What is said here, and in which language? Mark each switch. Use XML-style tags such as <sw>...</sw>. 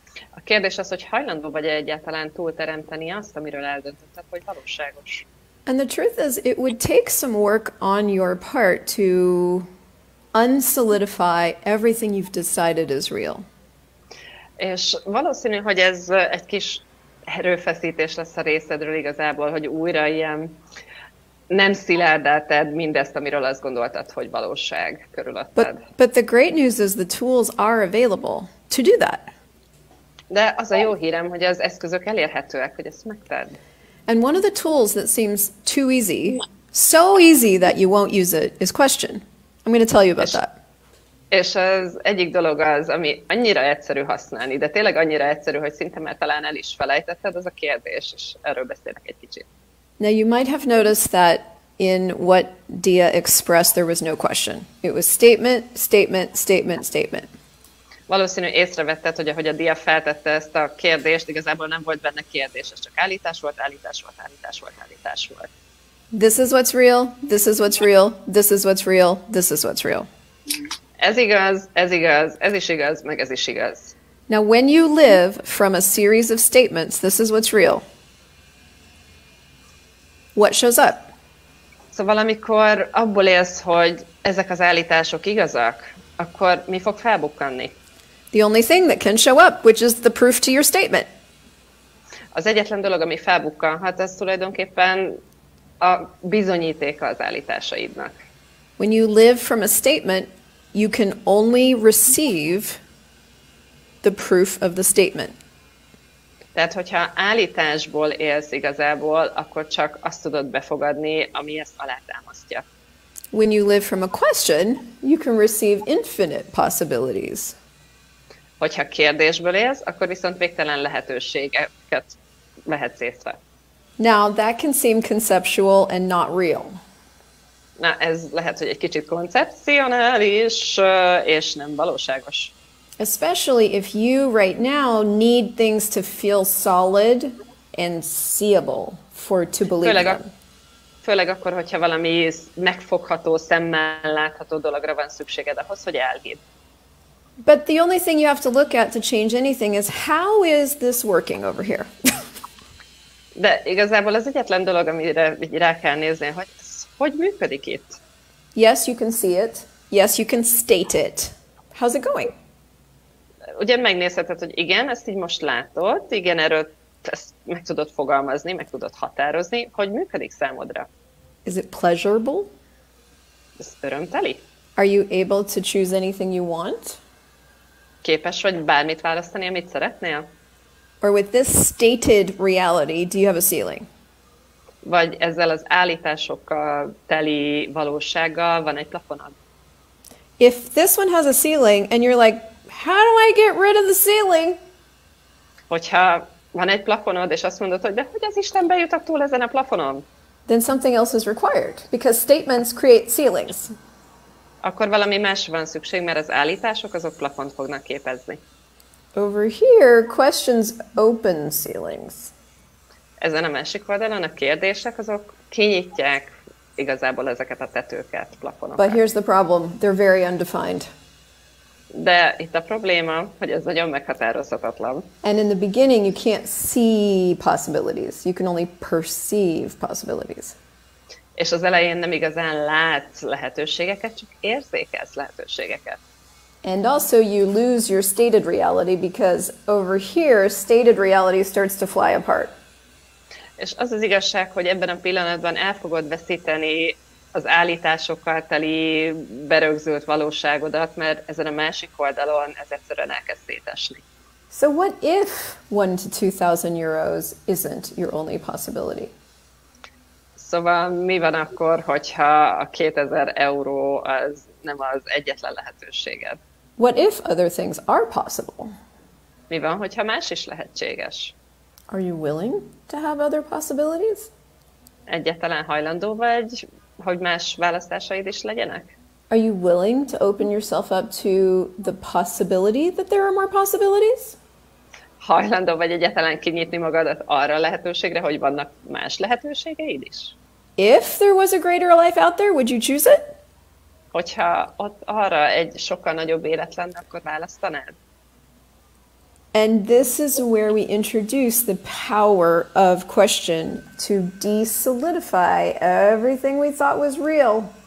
<hu>A kérdés az, hogy hajlandó vagy-e egyáltalán túlteremteni azt, amiről eldöntötted, hogy valóságos.</hu> <en>And the truth is, it would take some work on your part to unsolidify everything you've decided is real.</en> <hu>És valószínű, hogy ez egy kis erőfeszítés lesz a részedről igazából, hogy újra ilyen nem szilárdáltad mindezt, amiről azt gondoltad, hogy valóság körülötted.</hu> <en>But the great news is the tools are available to do that.</en> <hu>De az a jó hírem, hogy az eszközök elérhetőek, hogy ezt megtedd.</hu> <en>And one of the tools that seems too easy, so easy that you won't use it, is question. I'm going to tell you about that.</en> <hu>És az egyik dolog az, ami annyira egyszerű használni, de tényleg annyira egyszerű, hogy szinte már talán el is felejtetted, az a kérdés, és erről beszélek egy kicsit.</hu> <en>Now you might have noticed that in what Dia expressed there was no question. It was statement, statement, statement, statement.</en> <hu>Valószínű észrevetted, hogy ahogy a Dia feltette ezt a kérdést, igazából nem volt benne kérdés, ez csak állítás volt, állítás volt, állítás volt, állítás volt.</hu> <en>This is what's real, this is what's real, this is what's real, this is what's real.</en> <hu>Ez igaz, ez igaz, ez is igaz, meg ez is igaz.</hu> <en>Now when you live from a series of statements, this is what's real. What shows up?</en> <hu>Szóval amikor abból élsz, hogy ezek az állítások igazak, akkor mi fog felbukkanni?</hu> <en>The only thing that can show up, which is the proof to your statement.</en> <hu>Az egyetlen dolog, ami felbukkanhat, az tulajdonképpen a bizonyítéka az állításaidnak.</hu> <en>When you live from a statement, you can only receive the proof of the statement.</en> <hu>Tehát, hogyha állításból élsz igazából, akkor csak azt tudod befogadni, ami ezt alátámasztja.</hu> <en>When you live from a question, you can receive infinite possibilities.</en> <hu>Hogyha kérdésből élsz, akkor viszont végtelen lehetőségeket vehetsz észre.</hu> <en>Now, that can seem conceptual and not real.</en> <hu>Na, ez lehet, hogy egy kicsit koncepcionális, és nem valóságos.</hu> <en>Especially if you right now need things to feel solid and seeable for to believe</en> <hu>főleg</hu> <en>them.</en> <hu>Főleg akkor, hogyha valami megfogható, szemmel látható dologra van szükséged ahhoz, hogy elhidd.</hu> <en>But the only thing you have to look at to change anything is how is this working over here?</en> <hu>De igazából az egyetlen dolog, amire rá kell nézni, hogy ez hogy működik itt?</hu> <en>Yes, you can see it. Yes, you can state it. How's it going?</en> <hu>Ugyan megnézheted, hogy igen, ezt így most látod, igen, erről ezt meg tudod fogalmazni, meg tudod határozni, hogy működik számodra?</hu> <en>Is it pleasurable?</en> <hu>Ez örömteli?</hu> <en>Are you able to choose anything you want?</en> <hu>Képes vagy bármit választani, amit szeretnél?</hu> <en>Or with this stated reality, do you have a ceiling?</en> <hu>Vagy ezzel az állításokkal teli valósággal van egy plafonod?</hu> <en>If this one has a ceiling, and you're like, how do I get rid of the ceiling?</en> <hu>Hogyha van egy plafonod, és azt mondod, hogy de hogy az Isten bejutak túl ezen a plafonon?</hu> <en>Then something else is required, because statements create ceilings.</en> <hu>Akkor valami más van szükség, mert az állítások azok plafont fognak képezni.</hu> <en>Over here, questions open ceilings.</en> <hu>Ezen a másik oldalon a kérdések azok kinyitják igazából ezeket a tetőket, plafonokat.</hu> <en>But here's the problem, they're very undefined.</en> <hu>De itt a probléma, hogy ez nagyon meghatározhatatlan.</hu> <en>And in the beginning you can't see possibilities, you can only perceive possibilities.</en> <hu>És az elején nem igazán látsz lehetőségeket, csak érzékelsz lehetőségeket.</hu> <en>And also you lose your stated reality because over here stated reality starts to fly apart.</en> <hu>És az az igazság, hogy ebben a pillanatban el fogod veszíteni az állításokkal teli berögzült valóságodat, mert ezen a másik oldalon ez egyszerűen elkezd szétesni.</hu> <en>So what if 1 to 2,000 euros isn't your only possibility?</en> <hu>Szóval mi van akkor, hogyha a 2000 euró az nem az egyetlen lehetőséged?</hu> <en>What if other things are possible?</en> <hu>Mi van, hogyha más is lehetséges?</hu> <en>Are you willing to have other possibilities?</en> <hu>Egyetlen hajlandó vagy, hogy más választásaid is legyenek?</hu> <en>Are you willing to open yourself up to the possibility that there are more possibilities?</en> <hu>Hajlandó vagy egyáltalán kinyitni magadat arra a lehetőségre, hogy vannak más lehetőségeid is?</hu> <en>If there was a greater life out there, would you choose it?</en> <hu>Hogyha ott arra egy sokkal nagyobb élet lenne, akkor választanád?</hu> <en>And this is where we introduce the power of question to de-solidify everything we thought was real.</en>